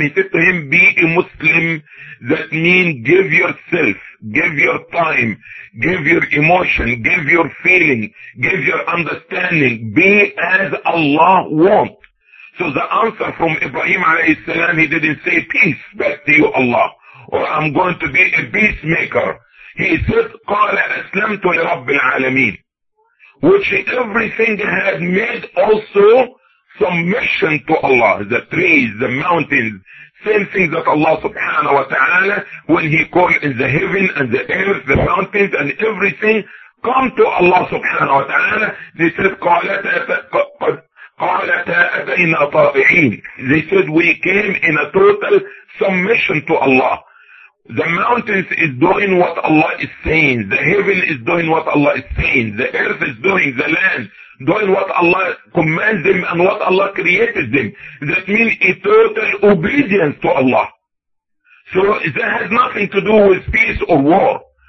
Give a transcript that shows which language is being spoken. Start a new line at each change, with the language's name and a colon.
English: He said to him, be a Muslim. That means give yourself, give your time, give your emotion, give your feeling, give your understanding. Be as Allah wants. So the answer from Ibrahim alayhi salam, he didn't say, peace back to you, Allah, or I'm going to be a peacemaker. He said,
Arabic: قَالَ أَسْلَمْتُ لِرَبِّ الْعَالَمِينَ.
English: Which everything had made also submission to Allah. The trees, the mountains, same thing that Allah subhanahu wa ta'ala, when He called in the heaven and the earth, the mountains and everything, come to Allah subhanahu wa ta'ala. They said,
Arabic: قَالَتَا أَبَيْنَا طَائِعِينَ.
English: They said, we came in a total submission to Allah. The mountains is doing what Allah is saying. The heaven is doing what Allah is saying. The earth is doing, the land, doing what Allah commands them and what Allah created them. That means a total obedience to Allah. So that has nothing to do with peace or war.